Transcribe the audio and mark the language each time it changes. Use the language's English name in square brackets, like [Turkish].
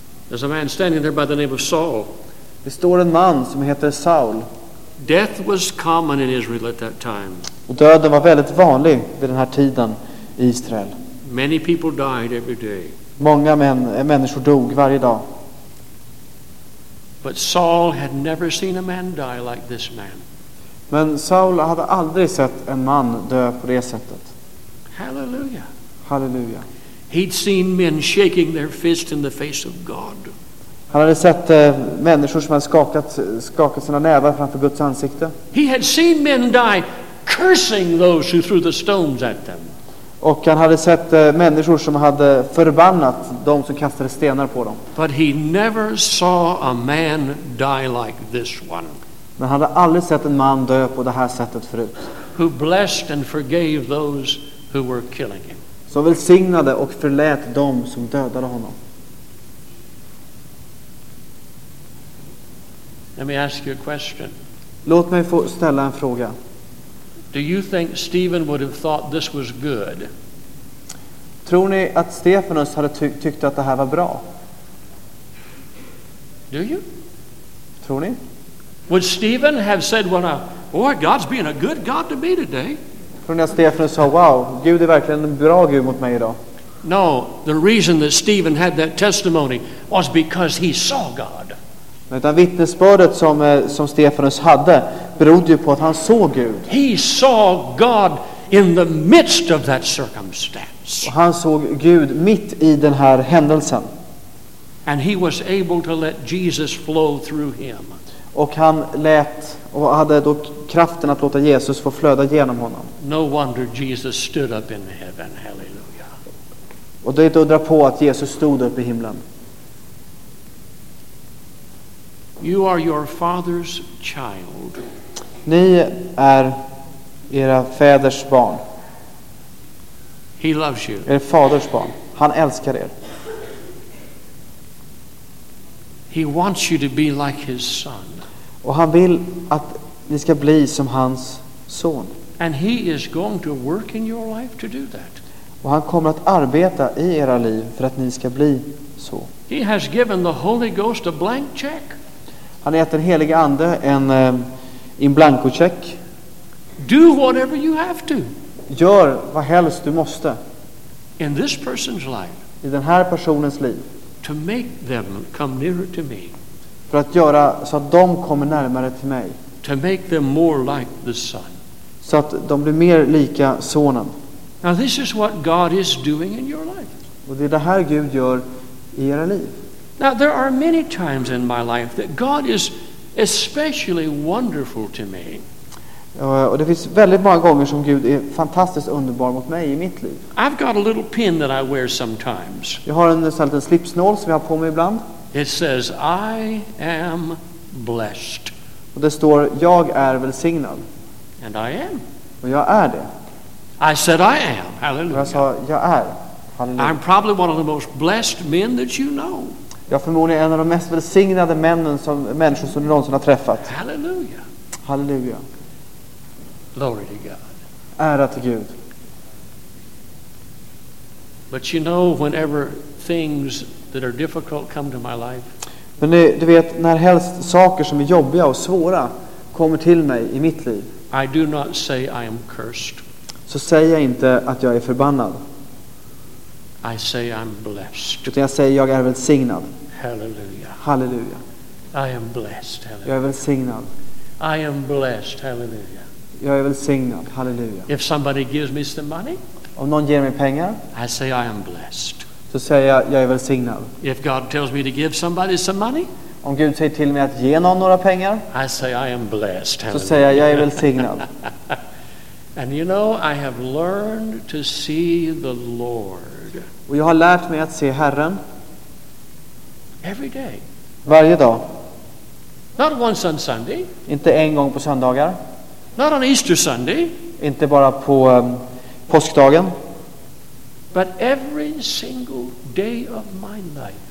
[English] There's a man standing there by the name of Saul. [Swedish] Det står en man som heter Saul. [English] Death was common in Israel at that time. [Swedish] Och döden var väldigt vanlig vid den här tiden i Israel. [English] Many people died every day. [Swedish] Många människor dog varje dag. [English] But Saul had never seen a man die like this man. [Swedish] Men Saul hade aldrig sett en man dö på det sättet. [English] Hallelujah. [Swedish] Hallelujah. [English] He'd seen men shaking their fist in the face of God. [Swedish] Han hade sett människor som hade skakat sina nävar framför Guds ansikte. [English] He had seen men die cursing those who threw the stones at them. [Swedish] Och han hade sett människor som hade förbannat de som kastade stenar på dem. [English] But he never saw a man die like this one. [Swedish] Men han hade aldrig sett en man dö på det här sättet förut. [English] Who blessed and forgave those who were killing him. [Swedish] Så välsignade och förlät dem som dödade honom. [English] Let me ask you a question. [Swedish] Låt mig få ställa en fråga. [English] Do you think Stephen would have thought this was good? [Swedish] Tror ni att Stefanus hade tyckt att det här var bra? [English] Do you? [Swedish] Tror ni? [English] Would Stephen have said, "Well, boy, God's being a good God to me today"? [Swedish] Från att Stefanus sa, "Wow, Gud är verkligen en bra Gud mot mig idag." [English] No, the reason that Stephen had that testimony was because he saw God. [Swedish] Utan vittnesbördet som Stefanus hade berodde ju på att han såg Gud. [English] He saw God in the midst of that circumstance. [Swedish] Och han såg Gud mitt i den här händelsen. [English] And he was able to let Jesus flow through him. [Swedish] Och han lät och hade då kraften att låta Jesus få flöda genom honom. [English] No wonder Jesus stood up in heaven. Hallelujah. [Swedish] Och det är inte att dra på att Jesus stod upp i himlen. [English] You are your father's child. [Swedish] Ni är era fäders barn. [English] He loves you. [Swedish] Er faders barn. Han älskar er. [English] He wants you to be like his son. [Swedish] Och han vill att ni ska bli som hans son. [English] And he is going to work in your life to do that. [Swedish] Och han kommer att arbeta i era liv för att ni ska bli så. [English] He has given the Holy Ghost a blank check. [Swedish] Han har gett den helige ande en blanco check. [English] Do whatever you have to. [Swedish] Gör vad helst du måste. [English] In this person's life. [Swedish] i den här personens liv. [English] To make them come nearer to me. [Swedish] För att göra så att de kommer närmare till mig. [English] To make them more like the Son. [Swedish] Så att de blir mer lika sonen. [English] Now this is what God is doing in your life. [Swedish] Och det är det här Gud gör i era liv. [English] Now there are many times in my life that God is especially wonderful to me. [Swedish] Och det finns väldigt många gånger som Gud är fantastiskt underbar mot mig i mitt liv. [English] I've got a little pin that I wear sometimes. [Swedish] Jag har en liten slipsnål som jag har på mig ibland. [English] It says I am blessed. [Swedish] Och det står jag är välsignad. [English] And I am. [Swedish] Och jag är det. [English] I said I am. Hallelujah. [Swedish] Jag sa jag är. [English] Hallelujah. I'm probably one of the most blessed men that you know. [Swedish] Jag förmodligen är en av de mest välsignade människor som du någonsin har träffat. [English] Halleluja. [Swedish] Halleluja. [English] Glory to God. [Swedish] Ära till Gud. [English] But you know whenever things that are difficult come to my life. [Swedish] Men du vet när helst saker som är jobbiga och svåra kommer till mig i mitt liv. [English] I do not say I am cursed. [Swedish] Så säger jag inte att jag är förbannad. [English] I say I'm blessed. [Swedish] Utan jag säger jag är välsignad. [English] Hallelujah. [Swedish] Halleluja. [English] I am blessed. Hallelujah. [Swedish] Jag är välsignad. [English] I am blessed. Hallelujah. [Swedish] Jag är välsignad. Halleluja. [English] If somebody gives me some money, [Swedish] om någon ger mig pengar, [English] I say I am blessed. [Swedish] Så säger jag är välsignad. [English] If God tells me to give somebody some money, [Swedish] om Gud säger till mig att ge någon några pengar, [English] I say I am blessed. [Swedish] Så säger jag är välsignad. [English] And you know, I have learned to see the Lord. [Swedish] Och jag har lärt mig att se Herren. [English] Every day. [Swedish] Varje dag. [English] Not once on Sunday. [Swedish] Inte en gång på söndagar. [English] Not on Easter Sunday. [Swedish] Inte bara på påskdagen. [English] But every single day of my life.